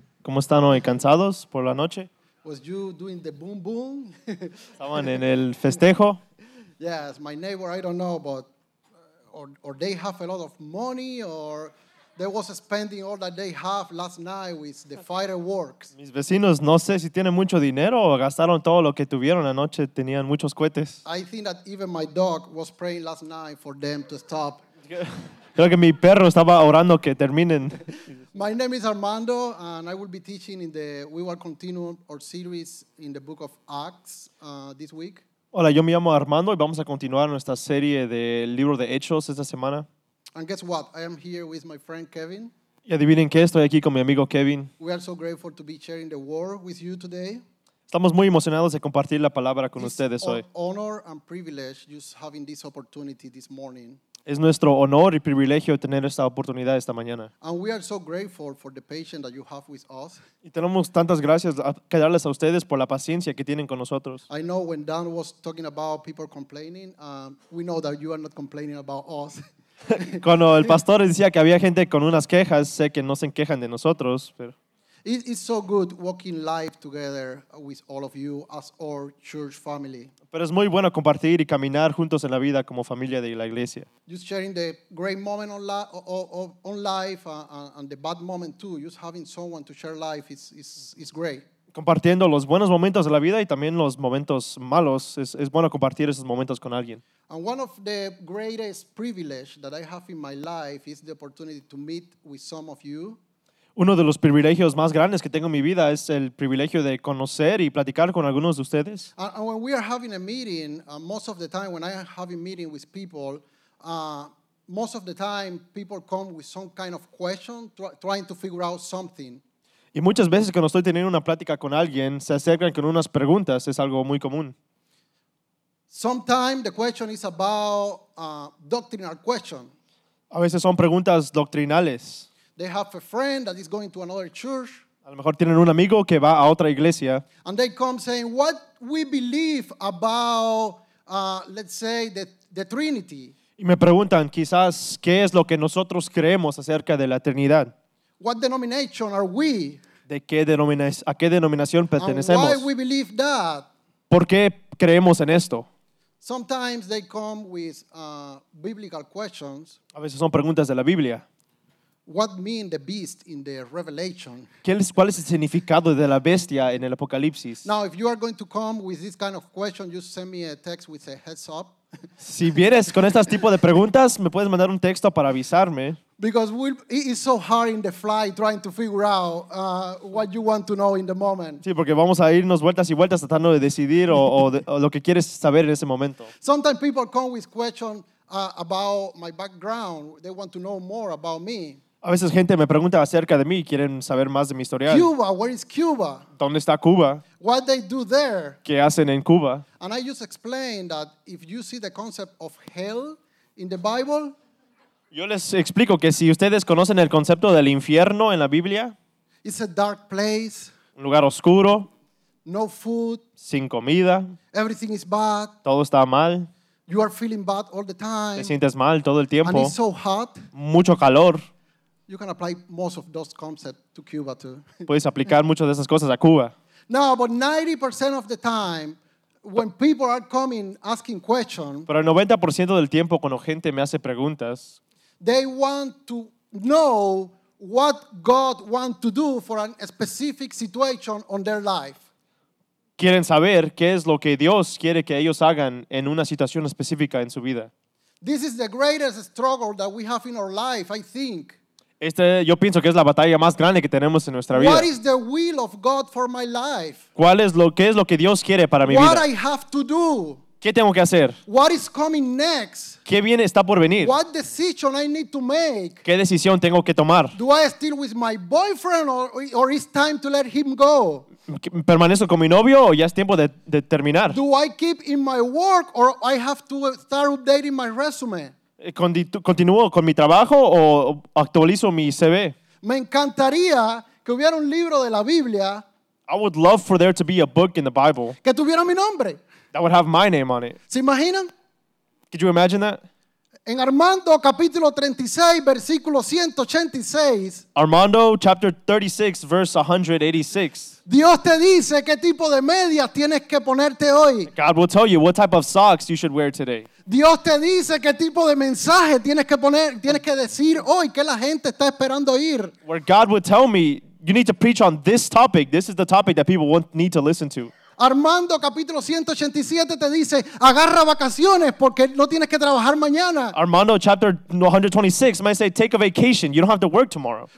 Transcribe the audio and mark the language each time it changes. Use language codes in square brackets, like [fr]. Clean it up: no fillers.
[es] ¿Cómo están hoy? ¿Cansados por la noche? [en] Was you doing the boom boom? [es] Estaban en el festejo. [en] Yes, my neighbor, I don't know, but or they have a lot of money, or they was spending all that they have last night with the fireworks. [es] Mis vecinos, no sé si tienen mucho dinero o gastaron todo lo que tuvieron anoche, tenían muchos cohetes. [en] I think that even my dog was praying last night for them to stop. [es] Creo que mi perro estaba orando que terminen. [en] My name is Armando, and I will be teaching in the, we will continue our series in the book of Acts this week. [es] Hola, yo me llamo Armando, y vamos a continuar nuestra serie del libro de Hechos esta semana. [en] And guess what? I am here with my friend Kevin. [es] Y adivinen qué, estoy aquí con mi amigo Kevin. [en] We are so grateful to be sharing the word with you today. [es] Estamos muy emocionados de compartir la palabra con [en] It's [es] ustedes hoy. [en] It's an honor and privilege just having this opportunity this morning. [es] Es nuestro honor y privilegio tener esta oportunidad esta mañana. [en] And we are so grateful for the patience that you have with us. [es] Y tenemos tantas gracias que darles a ustedes por la paciencia que tienen con nosotros. [en] I know when Dan was talking about people complaining, we know that you are not complaining about us. [es] Cuando el pastor decía que había gente con unas quejas, sé que no se quejan de nosotros, pero [en] It's so good walking life together with all of you as our church family. [es] Pero es muy bueno compartir y caminar juntos en la vida como familia de la iglesia. [en] Just sharing the great moment on life and the bad moment too. Just having someone to share life is great. [es] Compartiendo los buenos momentos de la vida y también los momentos malos. Es bueno compartir esos momentos con alguien. [en] And one of the greatest privileges that I have in my life is the opportunity to meet with some of you. [es] Uno de los privilegios más grandes que tengo en mi vida es el privilegio de conocer y platicar con algunos de ustedes. [en] And when we are having a meeting, most of the time when I am having a meeting with people, most of the time people come with some kind of question, trying to figure out something. [es] Y muchas veces cuando estoy teniendo una plática con alguien, se acercan con unas preguntas, es algo muy común. [en] Sometimes the question is about doctrinal question. [es] A veces son preguntas doctrinales. [en] They have a friend that is going to another church. [es] A lo mejor tienen un amigo que va a otra iglesia. [en] And they come saying, "What we believe about, let's say, the Trinity." [es] Y me preguntan, quizás, ¿qué es lo que nosotros creemos acerca de la Trinidad? [en] What denomination are we? [es] ¿De qué a qué denominación pertenecemos? [en] And why we believe that? [es] ¿Por qué creemos en esto? [en] Sometimes they come with biblical questions. [es] A veces son preguntas de la Biblia. [en] What mean the beast in the Revelation? [es] ¿Cuál es el significado de la bestia en el Apocalipsis? [en] Now, if you are going to come with this kind of question, you send me a text with a heads up. [es] Si vienes con este tipo de preguntas, me puedes mandar un texto para avisarme. [en] Because it is so hard in the fly trying to figure out what you want to know in the moment. [es] Sí, porque vamos a irnos vueltas y vueltas tratando de decidir o lo que quieres saber en ese momento. [en] Sometimes people come with questions about my background. They want to know more about me. [es] A veces gente me pregunta acerca de mí y quieren saber más de mi historial. [en] Cuba, where is Cuba? [es] ¿Dónde está Cuba? [en] What they do there? [es] ¿Qué hacen en Cuba? [en] And I just explained that if you see the concept of hell in the Bible, [es] yo les explico que si ustedes conocen el concepto del infierno en la Biblia, [en] it's a dark place, [es] un lugar oscuro, [en] no food, [es] sin comida, [en] everything is bad, [es] todo está mal, [en] you are feeling bad all the time, [es] te sientes mal todo el tiempo, [en] and it's so hot, [es] mucho calor. [en] You can apply most of those concepts to Cuba too. [es] Puedes aplicar muchas de esas cosas a Cuba. [en] No, but 90% of the time, when people are coming asking questions, [es] pero el 90% del tiempo cuando gente me hace preguntas, [en] they want to know what God wants to do for a specific situation on their life. [es] Quieren saber qué es lo que Dios quiere que ellos hagan en una situación específica en su vida. [en] This is the greatest struggle that we have in our life, I think. [es] Yo pienso que es la batalla más grande que tenemos en nuestra vida. [en] What is the will of God for my life? [es] ¿Qué es lo que Dios quiere para mi [en] What [es] vida? [en] I have to do? [es] ¿Qué tengo que hacer? [en] What is coming next? [es] ¿Qué viene, está por venir? [en] What decision I need to make? [es] ¿Qué decisión tengo que tomar? [en] Do I still with my boyfriend or is time to let him go? [es] ¿Permanezco con mi novio o ya es tiempo de terminar? [en] Do I keep in my work or I have to start updating my resume? [es] ¿Continúo con mi trabajo o actualizo mi CV? Me encantaría que hubiera un libro de la Biblia. [en] I would love for there to be a book in the Bible. [es] Que tuviera mi nombre. [en] That would have my name on it. [es] ¿Se imaginan? [en] Could you imagine that? [es] En Armando, capítulo 36, versículo 186. [en] Armando, chapter 36, verse 186. [es] Dios te dice qué tipo de medias tienes que ponerte hoy. [en] God will tell you what type of socks you should wear today. [es] Dios te dice qué tipo de mensaje tienes que poner, tienes que decir hoy, qué la gente está esperando oír. [en] Where God would tell me, you need to preach on this topic. This is the topic that people won't need to listen to. [es] Armando, capítulo 187, te dice, agarra vacaciones porque no tienes que trabajar mañana. [en] Armando, chapter 126, might say, take a vacation. You don't have to work tomorrow.